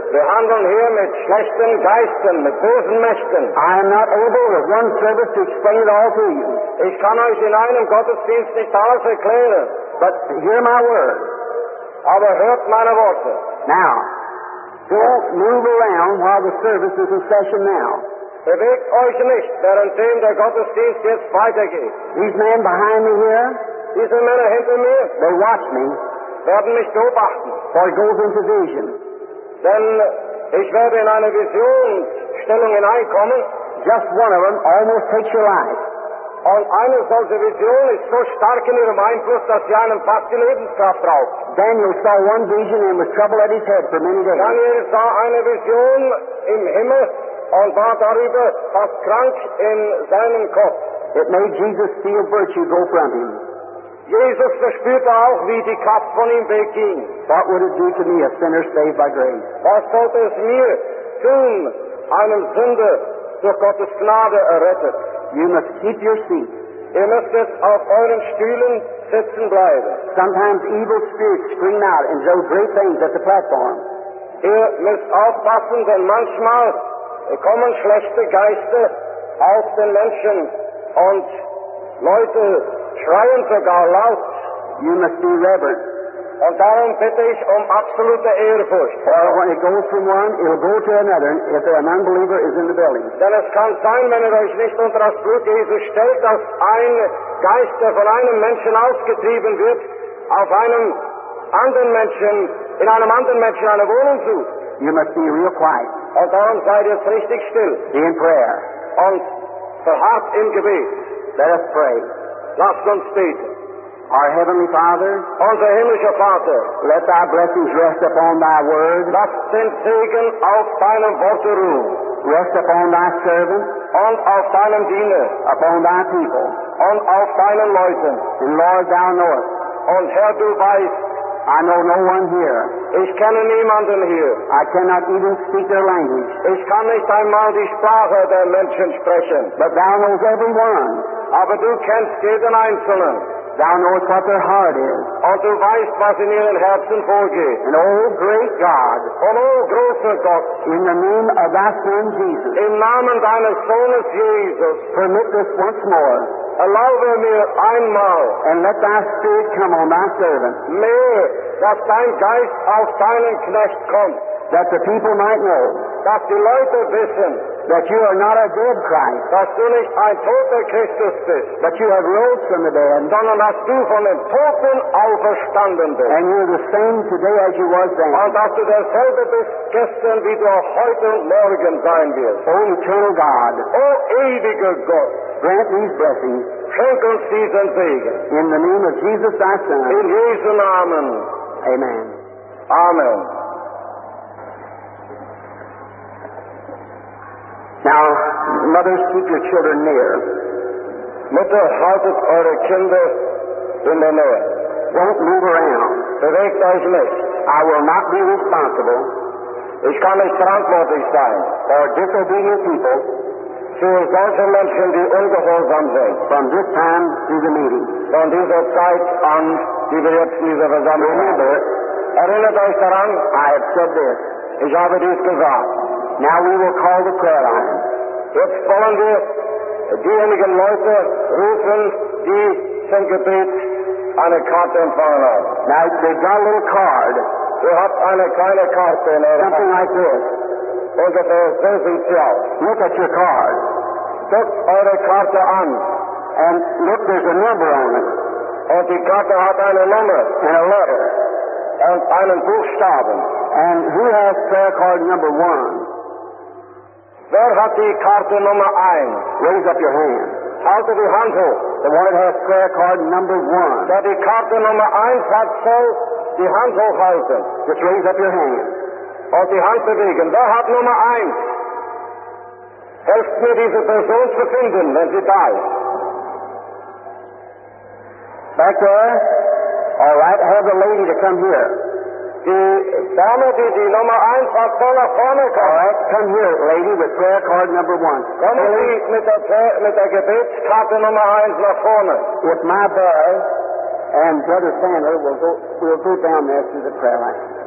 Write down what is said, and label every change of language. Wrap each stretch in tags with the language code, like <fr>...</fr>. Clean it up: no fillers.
<de>Wir handeln hier mit schlechten Geistern, mit bösen Mächten.</de> <en>I am not able with one service to explain it all to you.</en> <de>Ich kann euch in einem Gottesdienst nicht alles erklären.</de> <en>But hear my word.</en> <de>Aber hört meine Worte.</de> <en>Now, don't move around while the service is in session now.</en> <de>Bewegt euch nicht, währenddem der Gottesdienst jetzt weitergeht.</de> <en>These men behind me here,</en> <de>diese Männer hinter mir,</de> <en>they watch me,</en> <de>werden mich beobachten.</de> <en>For it goes into vision.</en> <de>Denn ich werde in eine Visionsstellung hineinkommen.</de> <en>Just one of them almost takes your life.</en> <de>Und eine solche Vision ist so stark in ihrem Einfluss, dass sie einen fast die Lebenskraft braucht.</de> <en>Daniel saw one vision and was troubled at his head for many days.</en> <de>Daniel sah eine Vision im Himmel und war darüber fast krank in seinem Kopf.</de> <en>It made Jesus feel virtue go from him.</en> <de>Jesus verspürte auch, wie die Kraft von ihm wegging.</de> <en>What would it do to me, a sinner saved by grace?</en> <de>Was sollte es mir tun, einem Sünder durch Gottes Gnade errettet?</de> <en>You must keep your seat.</en> <de>Ihr müsst jetzt auf euren Stühlen sitzen bleiben.</de> <en>Sometimes evil spirits scream out and show great things at the platform.</en> <de>Ihr müsst aufpassen, denn manchmal kommen schlechte Geister auf den Menschen und Leute schreien sogar laut.</de> <en>You must be reverent.</en> <de>Und darum bitte ich absolute Ehrfurcht.</de> <en>Well, when it goes from one, it'll go to another if an unbeliever is in the building.</en> <de>Denn es kann sein, wenn ihr euch nicht unter das Blut Jesu stellt, dass ein Geist, der von einem Menschen ausgetrieben wird, auf einem anderen Menschen, in einem anderen Menschen eine Wohnung sucht.</de> <en>You must be real quiet.</en> <de>Und darum seid ihr richtig still.</de> <en>Be in prayer.</en> <de>Und verharrt im Gebet.</de> <en>Let us pray.</en> <de>Lasst uns beten.</de> <en>Our Heavenly Father,</en> <de>unser himmlischer Vater,</de> <en>let thy blessings rest upon thy word.</en> <de>Lass den Segen auf deinem Wort ruhen.</de> <en>Rest upon thy servant.</en> <de>Und auf deinem Diener.</de> <en>Upon thy people.</en> <de>Und auf deinen Leuten.</de> <en>And Lord, thou knowest.</en> <de>Und Herr, du weißt.</de> <en>I know no one here.</en> <de>Ich kenne niemanden hier.</de> <en>I cannot even speak their language.</en> <de>Ich kann nicht einmal die Sprache der Menschen sprechen.</de> <en>But thou knowest everyone.</en> <de>Aber du kennst jeden Einzelnen.</de> <en>Thou knowest what their heart is.</en> <de>Und du weißt, was in ihren Herzen vorgeht.</de> <en>And O great God,</en> <de>und O großer Gott,</de> <en>in the name of thy Son Jesus,</en> <de>im Namen deines Sohnes Jesus,</de> <en>permit this once more.</en> <de>Erlaube mir einmal.</de> <en>And let thy spirit come on thy servant.</en> <de>Mehr, dass dein Geist auf deinen Knecht kommt.</de> <en>That the people might know.</en> <de>Dass die Leute wissen.</de> <en>that you are not a dead Christ.</en> <de>Dass du nicht ein toter Christus bist.</de> <en>That you have rose from the dead.</en> <de>Sondern dass du von den Toten auferstanden bist.</de> <en>And you're the same today as you was then.</en> <de>Und dass du derselbe bist gestern, wie du auch heute und morgen sein wirst.</de> <en>O eternal God.</en> <de>O ewiger Gott.</de> <en>Grant these blessings.</en> <de>Schenk uns diesen Segen.</de> <en>In the name of Jesus, thy Son.</en> <de>In Jesu Namen.</de> <en>Amen.</en> <de>Amen.</de> <en>Now, mothers, keep your children near.</en> <de>Mütter, haltet eure Kinder in der Nähe.</de> <en>Don't move around.</en> <de>Bewegt euch nicht.</de> <en>I will not be responsible.</en> <de>Ich kann nicht verantwortlich sein.</de> <en>For disobedient people.</en> <de>Für solche Menschen, die ungehorsam sind.</de> <en>From this time to the meeting.</en> <de>Von dieser Zeit an, die wir jetzt in dieser Versammlung haben. Erinnert euch daran.</de> <en>I have said this.</en> <de>Ich habe dies gesagt.</de> <en>Now we will call the prayer line.</en> <de>Jetzt wollen wir diejenigen Leute rufen, die zum Gebet eine Karte empfangen haben.</de> <en>Now they've got a little card.</en> <de>Ihr habt eine kleine Karte in eurer</de> <en>Hand. Something like this.</en> <de>Und der Sensenzial.</de> <en>Look at your card.</en> <de>Guck eure Karte an.</de> <en>And look, there's a number on it.</en> <de>Und die Karte hat eine Nummer.</de> <en>And a letter.</en> <de>Und einen Buchstaben.</de> <en>And who has prayer card number one?</en> <de>Wer hat die Karte Nummer 1?</de> <en>Raise up your hand.</en> <de>Halte die Hand hoch.</de> <en>The one that has prayer card number 1.</en> <de>Wer die Karte Nummer 1 hat, soll die Hand hochhalten.</de> <en>Just raise up your hand.</en> <de>Und die Hand bewegen. Wer hat Nummer 1? Helft mir, diese Person zu finden, wenn sie da ist.</de> <en>Back there. All right, have the lady to come here.</en> <de>Die Dame, die Nummer 1 hat, soll nach vorne kommen.</de> <en>All right, come here, lady, with prayer card number 1.</en> <de>Kommen Sie mit der Gebetskarte Nummer 1 nach vorne.</de> <en>With my bow and Brother Sandler, we'll go down there to the prayer line.</en>